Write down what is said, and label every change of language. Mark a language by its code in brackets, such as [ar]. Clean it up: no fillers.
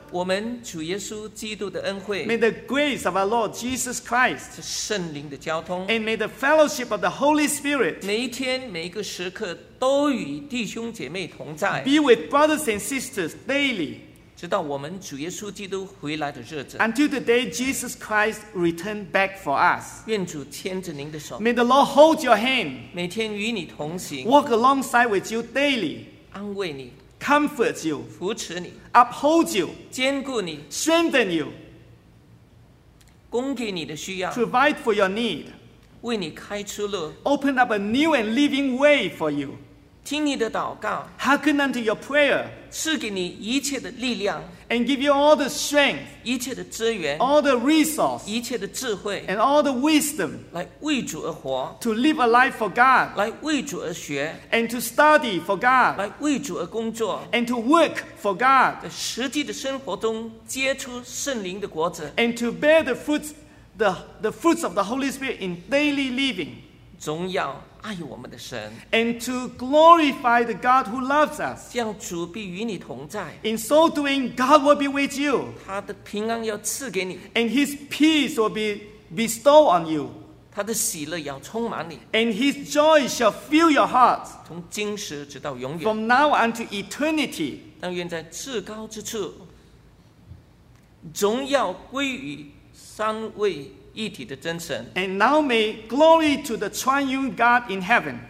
[zh] 我们主耶稣基督的恩惠， [en] May the grace of our Lord Jesus Christ， [zh] 圣灵的交通， [en] And may the fellowship of the Holy Spirit， [zh] 每一天每一个时刻都与弟兄姐妹同在， [en] Be with brothers and sisters daily， [zh] 直到我们主耶稣基督回来的日子， [en] Until the day Jesus Christ return back for us， [zh] 愿主牵着您的手， [en] May the Lord hold your hand， [zh] 每天与你同行， [en] Walk alongside with you daily， [zh] 安慰你， [en] comfort you， [zh] 扶持你， [en] uphold you， [zh] 坚固你， [en] strengthen you， [zh] 供给你的需要， [en] provide for your need， [zh] 为你开出路， [en] open up a new and living way for you， [zh] 听你的祷告， [en] hearken unto your prayer， [zh] 赐给你一切的力量， [en] and give you all the strength， [zh] 一切的资源， [en] all the resource， [zh] 一切的智慧， [en] and all the wisdom， [zh] 来为主而活， [en] to live a life for God， [zh] 来为主而学， [en] and to study for God， [zh] 来为主而工作， [en] and to work for God， [zh] 在实际的生活中结出圣灵的果子， [en] and to bear the fruits of the Holy Spirit in daily living， [zh] 总要爱我们的神， [en] and to glorify the God who loves us， [zh] 像主必与你同在， [en] in so doing God will be with you， [zh] 他的平安要赐给你， [en] and his peace will be bestowed on you， [zh] 他的喜乐要充满你， [en] and his joy shall fill your heart， [zh] 从今时直到永远， [en] from now unto eternity， [zh] 但愿在至高之处荣耀归于三位一体的真神， [en] and now may glory to the triune God in heaven，